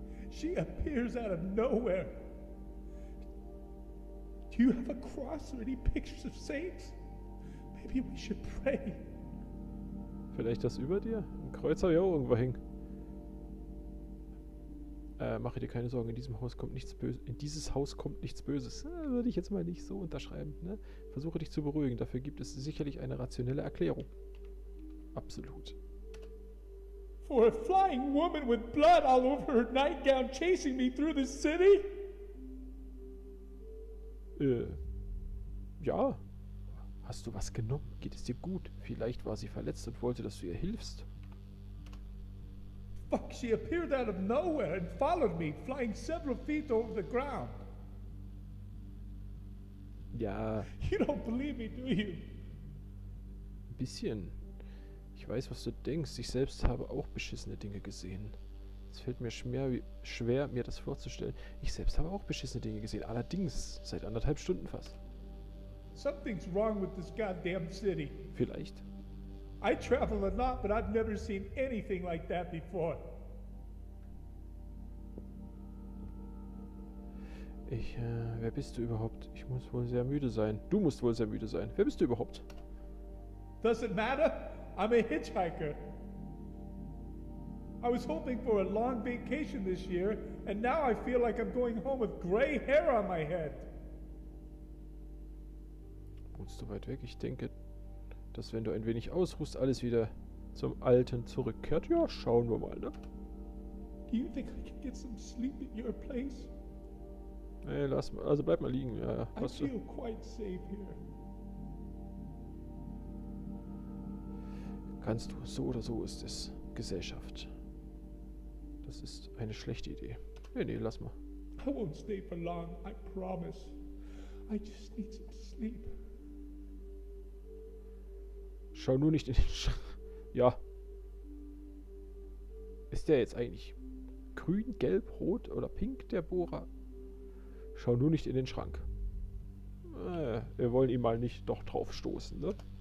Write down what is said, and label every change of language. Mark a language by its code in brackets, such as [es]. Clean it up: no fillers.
[en] She appears out of nowhere. Do you have a cross or any pictures of saints? Maybe we should pray. [de] Vielleicht das über dir? Ein Kreuz habe ich auch irgendwo hängen. Mache dir keine Sorgen, in diesem Haus kommt nichts Böses. In dieses Haus kommt nichts Böses. Würde ich jetzt mal nicht so unterschreiben, ne? Versuche dich zu beruhigen. Dafür gibt es sicherlich eine rationelle Erklärung. Absolut. [en] For a flying woman with blood all over her nightgown chasing me through the city? [de] Ja. Hast du was genommen? Geht es dir gut? Vielleicht war sie verletzt und wollte, dass du ihr hilfst. [en] Fuck, she appeared out of nowhere and followed me, flying several feet over the ground. [de] Ja. [en] You don't believe me, do you? [de] Ein bisschen. Ich weiß, was du denkst. Ich selbst habe auch beschissene Dinge gesehen. Es fällt mir schwer, mir das vorzustellen. Ich selbst habe auch beschissene Dinge gesehen. Allerdings, seit anderthalb Stunden fast. [en] Something's wrong with this goddamn city. [de] Vielleicht. [en] I travel a lot, but I've never seen anything like that before. [de] Wer bist du überhaupt? Ich muss wohl sehr müde sein. Du musst wohl sehr müde sein. Wer bist du überhaupt? [en] Does it matter? I'm a hitchhiker. I was hoping for a long vacation this year, and now I feel like I'm going home with gray hair on my head. [de] Wohnst du weit weg? Ich denke, dass wenn du ein wenig ausruhst, alles wieder zum Alten zurückkehrt. Ja, schauen wir mal, ne? [en] Do you think I can get some sleep at your place? [de] Hey, lass mal, also bleib mal liegen, ja. [en] Hast I feel quite safe here. [de] Kannst du, so oder so ist es Gesellschaft. Das ist eine schlechte Idee. Nee, lass mal. [en] I won't stay for long, I promise. I just need some sleep. [de] Schau nur nicht in den Sch... Ja. Ist der jetzt eigentlich grün, gelb, rot oder pink, der Bohrer? Schau nur nicht in den Schrank. Wir wollen ihn mal nicht doch drauf stoßen, ne?